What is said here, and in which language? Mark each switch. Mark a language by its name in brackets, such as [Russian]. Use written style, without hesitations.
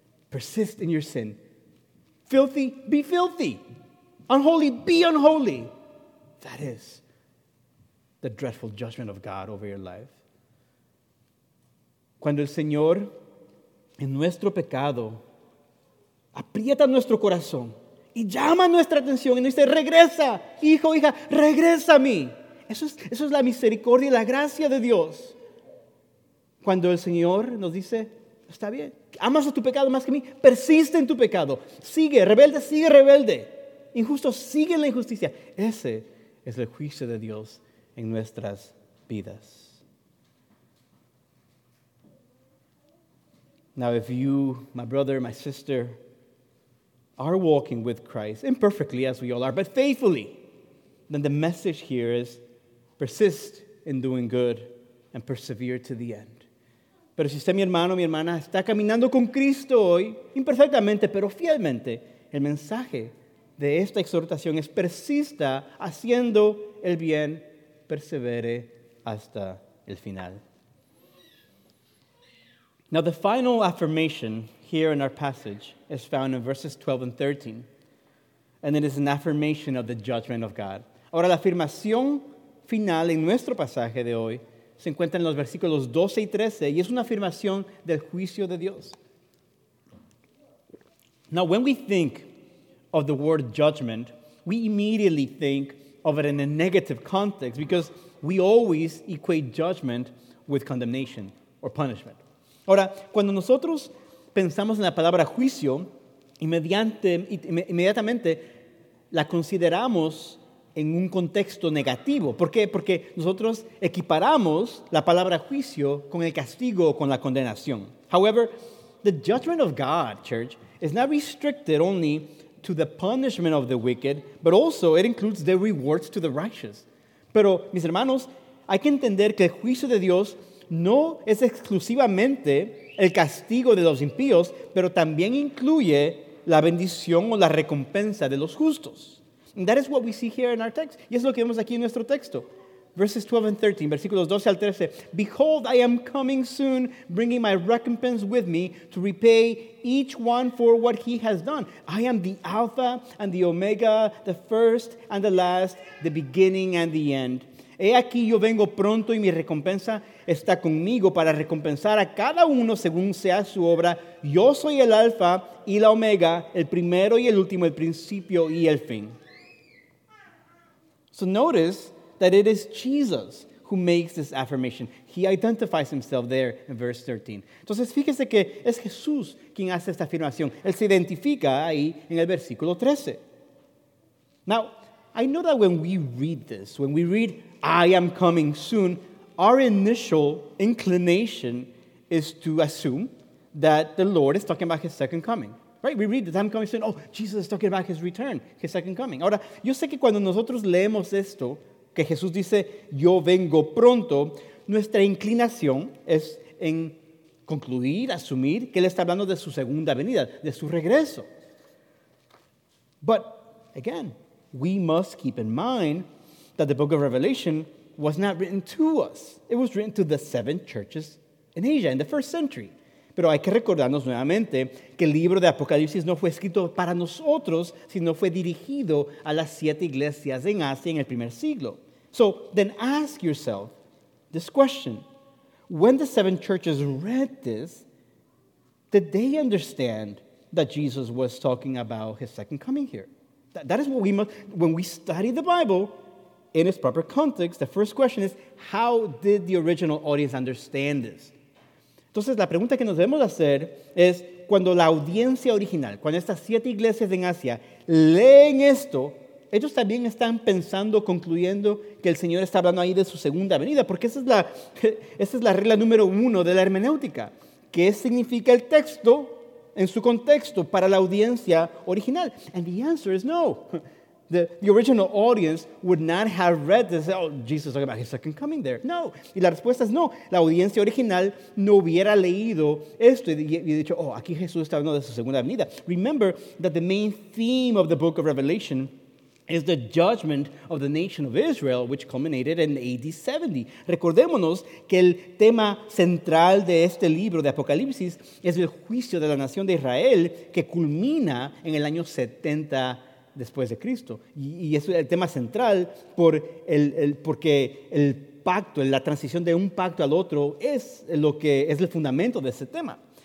[English] Persist in your sin. Filthy, be filthy. Unholy, be unholy." That is the dreadful judgment of God over your life. [Spanish] Cuando el Señor, en nuestro pecado, aprieta nuestro corazón y llama nuestra atención y nos dice, regresa, hijo, hija, regresa a mí. Eso es la misericordia y la gracia de Dios. Cuando el Señor nos dice, está bien, amas a tu pecado más que a mí, persiste en tu pecado, sigue rebelde, injusto, sigue en la injusticia. Ese es el juicio de Dios en nuestras vidas. [English] Now, if you, my brother, my sister, are walking with Christ, imperfectly as we all are, but faithfully, then the message here is persist in doing good and persevere to the end. [Spanish] Pero si usted, mi hermano, mi hermana, está caminando con Cristo hoy, imperfectamente, pero fielmente, el mensaje de esta exhortación es persista haciendo el bien, persevere hasta el final. [English] Now, the final affirmation here in our passage is found in verses 12 and 13, and it is an affirmation of the judgment of God. [Spanish] Ahora, la afirmación final en nuestro pasaje de hoy se encuentra en los versículos 12 y 13, y es una afirmación del juicio de Dios. [English] Now, when we think of the word judgment, we immediately think of it in a negative context because we always equate judgment with condemnation. or punishment. [Spanish] Ahora, cuando nosotros pensamos en la palabra juicio, inmediatamente la consideramos en un contexto negativo. ¿Por qué? Porque nosotros equiparamos la palabra juicio con el castigo o con la condenación. [English] However, the judgment of God, church, is not restricted only to the punishment of the wicked, but also it includes the rewards to the righteous. [Spanish] Pero, mis hermanos, hay que entender que el juicio de Dios no es exclusivamente el castigo de los impíos, pero también incluye la bendición o la recompensa de los justos. [English] And that is what we see here in our text. [Spanish] Y es lo que vemos aquí en nuestro texto. [English] Verses 12 and 13, [Spanish] versículos 12 al 13. [English] Behold, I am coming soon, bringing my recompense with me to repay each one for what he has done. I am the Alpha and the Omega, the first and the last, the beginning and the end. [Spanish] He aquí, yo vengo pronto y mi recompensa está conmigo para recompensar a cada uno según sea su obra. Yo soy el Alfa y la Omega, el primero y el último, el principio y el fin. [English] So notice that it is Jesus who makes this affirmation. He identifies himself there in verse 13. [Spanish] Entonces, fíjese que es Jesús quien hace esta afirmación. Él se identifica ahí en el versículo 13. [English] Now, I know that when we read this, when we read, I am coming soon, our initial inclination is to assume that the Lord is talking about his second coming. Right? We read that I'm coming soon. Oh, Jesus is talking about his return, his second coming. [Spanish] Ahora, yo sé que cuando nosotros leemos esto, que Jesús dice, yo vengo pronto, nuestra inclinación es en concluir, asumir, que Él está hablando de su segunda venida, de su regreso. [English] But, again, we must keep in mind that the book of Revelation was not written to us. It was written to the seven churches in Asia in the first century. [Spanish] Pero hay que recordarnos nuevamente que el libro de Apocalipsis no fue escrito para nosotros, sino fue dirigido a las siete iglesias en Asia en el primer siglo. [English] So then ask yourself this question. When the seven churches read this, did they understand that Jesus was talking about his second coming here? That is what we must, when we study the Bible in its proper context, the first question is, how did the original audience understand this? [Spanish] Entonces, la pregunta que nos debemos hacer es, cuando la audiencia original, cuando estas siete iglesias en Asia leen esto, ellos también están pensando, concluyendo que el Señor está hablando ahí de su segunda venida, porque esa es la regla número uno de la hermenéutica. ¿Qué significa el texto en su contexto para la audiencia original? [English] And the answer is no. The original audience would not have read this. Oh, Jesus is talking about his second coming there. [Spanish] No. Y la respuesta es no. La audiencia original no hubiera leído esto y dicho, oh, aquí Jesús está hablando de su segunda venida. [English] Remember that the main theme of the book of Revelation is the judgment of the nation of Israel, which culminated in AD 70. [Spanish] Recordémonos que el tema central de este libro de Apocalipsis es el juicio de la nación de Israel que culmina en el año 70 después de Cristo. Y eso es el tema central porque el pacto, la transición de un pacto al otro es lo que es el fundamento de ese tema.